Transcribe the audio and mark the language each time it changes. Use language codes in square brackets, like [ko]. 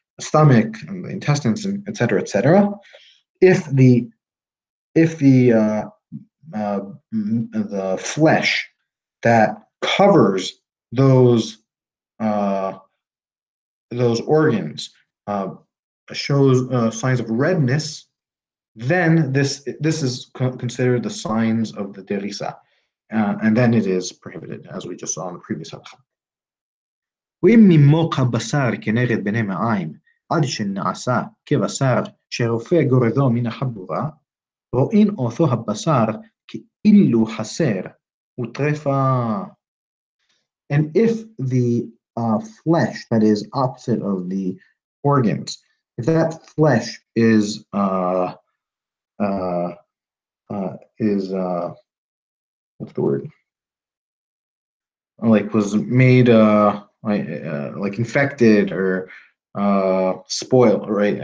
[en] stomach and the intestines and et cetera, et cetera. If the flesh that covers those organs shows signs of redness, then this is considered the signs of the derisa, and then it is prohibited, as we just saw in the previous halacha. [he] ואם נימוק הבשר כנגד בני מעיים עד שנעשה כבשר שרופא גורדו מן החבורה, רואין אותו הבשר כאילו חסר וטרפה. [en] And if the flesh that is opposite of the organs, if that flesh was infected or spoiled, right?